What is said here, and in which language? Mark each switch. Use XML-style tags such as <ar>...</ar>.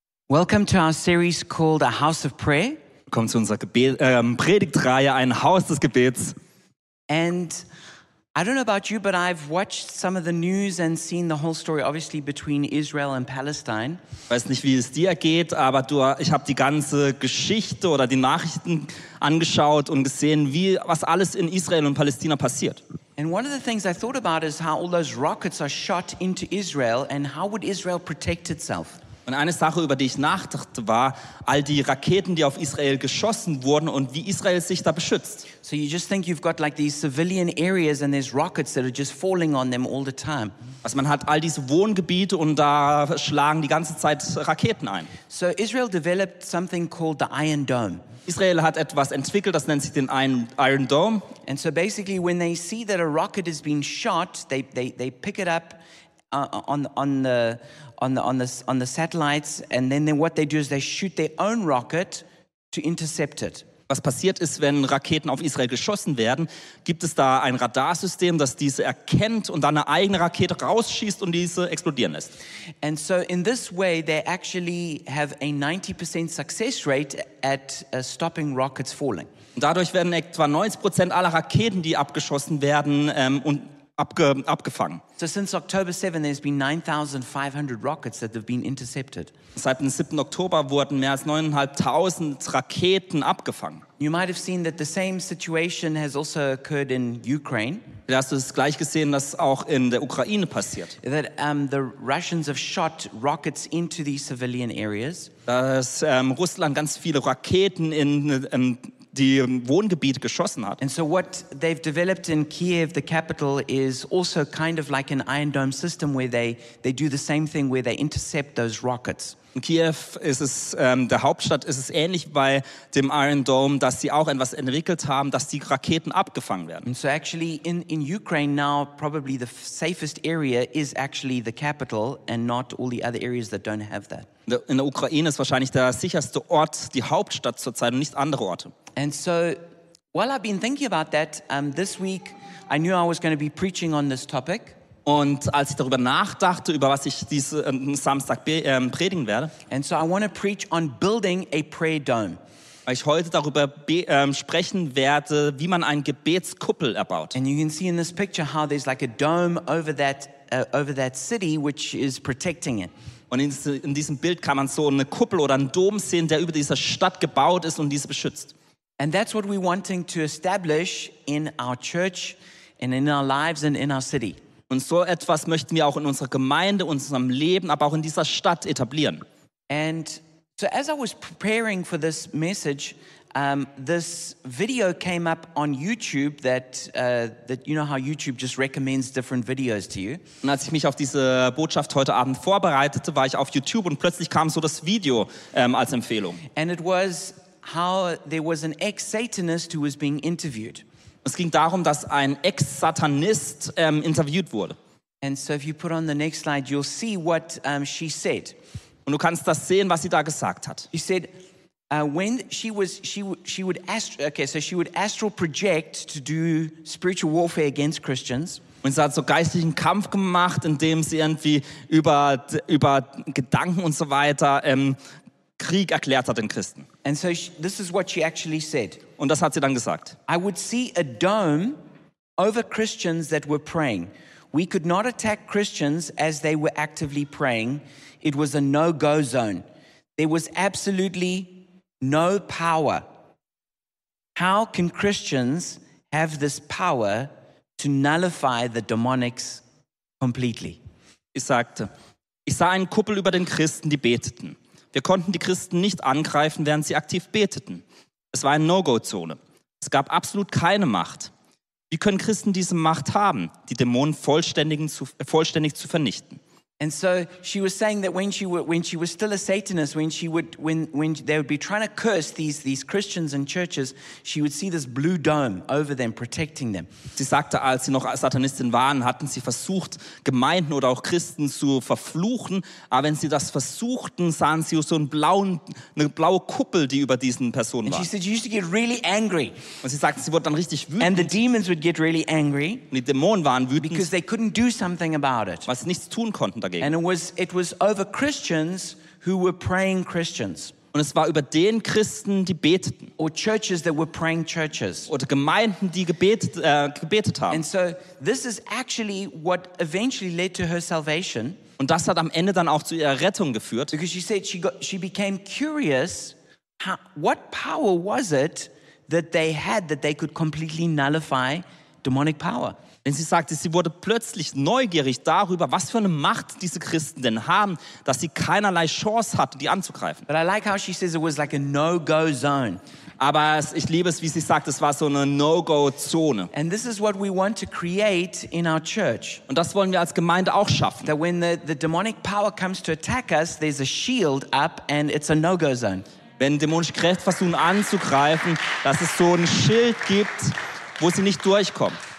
<en>Welcome to our series called A House of Prayer.</en> <de>Willkommen zu unserer Predigtreihe Ein Haus des Gebets.</de> <en>And I don't know about you, but I've watched some of the news and seen the whole story obviously between Israel and Palestine.</en> <de>Weiß nicht, wie es dir geht, aber ich habe die ganze Geschichte oder die Nachrichten angeschaut und gesehen, was alles in Israel und Palästina passiert.</de> <en>And one of the things I thought about is how all those rockets are shot into Israel and how would Israel protect itself?</en> <de>Und eine Sache, über die ich nachdachte, war all die Raketen, die auf Israel geschossen wurden und wie Israel sich da beschützt.</de> <en>So you just think you've got like these civilian areas and there's rockets that are just falling on them all the time.</en> <de>Also man hat all diese Wohngebiete und da schlagen die ganze Zeit Raketen ein.</de> <en>So Israel developed something called the Iron Dome.</en> <de>Israel hat etwas entwickelt, das nennt sich den Iron Dome.</de> <en>And so basically when they see that a rocket has been shot, they pick it up on the satellites, and then what they do is they shoot their own rocket to intercept it.</en> <de>Was passiert ist, wenn Raketen auf Israel geschossen werden, gibt es da ein Radarsystem, das diese erkennt und dann eine eigene Rakete rausschießt und diese explodieren lässt.</de> <en>And so in this way they actually have a 90% success rate at stopping rockets falling.</en> <de>Und dadurch werden etwa 90% aller Raketen, die abgeschossen werden, abgefangen.</de> <en>So since October 7 there's been 9500 rockets that have been intercepted.</en> <de>Seit dem 7. Oktober wurden mehr als 9500 Raketen abgefangen.</de> <en>You might have seen that the same situation has also occurred in Ukraine.</en> <de>Du hast es gleich gesehen, dass auch in der Ukraine passiert.</de> <en>That the Russians have shot rockets into the civilian areas.</en> <de>Dass Russland ganz viele Raketen in die Wohngebiet geschossen hat.</de> <en>And so what they've developed in Kiev, the capital, is also kind of like an Iron Dome system where they do the same thing where they intercept those rockets.</en> <de>In Kiew ist es, der Hauptstadt, ist es ähnlich bei dem Iron Dome, dass sie auch etwas entwickelt haben, dass die Raketen abgefangen werden.</de> <en>And so actually in Ukraine now probably the safest area is actually the capital and not all the other areas that don't have that.</en> <de>In der Ukraine ist wahrscheinlich der sicherste Ort die Hauptstadt zurzeit und nicht andere Orte.</de> <en>And so while I've been thinking about that, this week I knew I was going to be preaching on this topic.</en> <de>Und als ich darüber nachdachte, über was ich diesen Samstag predigen werde.</de> <en>And so I want to preach on building a prayer dome.</en> <de>Weil ich heute darüber sprechen werde, wie man einen Gebetskuppel erbaut.</de> <en>And you can see in this picture how there's like a dome over that city which is protecting it.</en> <de>Und in diesem Bild kann man so eine Kuppel oder einen Dom sehen, der über dieser Stadt gebaut ist und diese beschützt.</de> <en>And that's what we're wanting to establish in our church and in our lives and in our city.</en> <de>Und so etwas möchten wir auch in unserer Gemeinde, unserem Leben, aber auch in dieser Stadt etablieren.</de> <en>And so as I was preparing for this message, this video came up on YouTube that you know how YouTube just recommends different videos to you.</en> <de>Und als ich mich auf diese Botschaft heute Abend vorbereitete, war ich auf YouTube und plötzlich kam so das Video als Empfehlung.</de> <en>And it was how there was an ex-Satanist who was being interviewed.</en> <de>Es ging darum, dass ein Ex-Satanist interviewt wurde.</de> <en>And so if you put on the next slide, you'll see what she said.</en> <de>Und du kannst das sehen, was sie da gesagt hat.</de> <en>She said, when she would astral project to do spiritual warfare against Christians.</en> <de>Und sie hat so geistlichen Kampf gemacht, indem sie irgendwie über Gedanken und so weiter Krieg erklärt hat den Christen.</de> <en>And so this is what she actually said.</en> <de>Und das hat sie dann gesagt.</de> <en>I would see a dome over Christians that were praying. We could not attack Christians as they were actively praying. It was a no-go zone. There was absolutely no power. How can Christians have this power to nullify the demonics completely?</en> <de>Ich sagte, ich sah einen Kuppel über den Christen, die beteten. Wir konnten die Christen nicht angreifen, während sie aktiv beteten. Es war eine No-Go-Zone. Es gab absolut keine Macht. Wie können Christen diese Macht haben, die Dämonen vollständig zu vernichten?</de> <en>And so she was saying that when she was still a Satanist, when they would be trying to curse these Christians and churches, she would see this blue dome over them protecting them.</en> <de>Sie sagte, als sie noch Satanistin waren, hatten sie versucht, Gemeinden oder auch Christen zu verfluchen, aber wenn sie das versuchten, sahen sie so eine blaue Kuppel, die über diesen Personen war.</de> <en>And she said she used to get really angry.</en> <de>Und sie sagte, sie wurde dann richtig wütend.</de> <en>And the demons would get really angry.</en> <de>Und die Dämonen waren wütend.</de> <en>Because they couldn't do something about it.</en> <de>Weil sie nichts tun konnten.</de> <en>And it was over Christians who were praying Christians.</en> <de>Und es war über den Christen, die beteten.</de> <en>Or churches that were praying churches.</en> <de>Oder Gemeinden, die gebetet haben.</de> <en>And so this is actually what eventually led to her salvation.</en> <de>Und das hat am Ende dann auch zu ihrer Rettung geführt.</de> <en>Because she said she became curious, what power was it that they had that they could completely nullify demonic power?</en> <de>Denn sie sagte, sie wurde plötzlich neugierig darüber, was für eine Macht diese Christen denn haben, dass sie keinerlei Chance hatten, die anzugreifen.</de> <en>But I like how she says it was like a no-go zone.</en> <de>Aber ich liebe es, wie sie sagt, es war so eine No-Go-Zone.</de> <en>And this is what we want to create in our church.</en> <de>Und das wollen wir als Gemeinde auch schaffen.</de> <en>That when the demonic power comes to attack us, there's a shield up and it's a no-go zone.</en> <de>Wenn dämonische Kräfte versuchen anzugreifen, dass es so ein Schild gibt, wo sie nicht durchkommen.</de>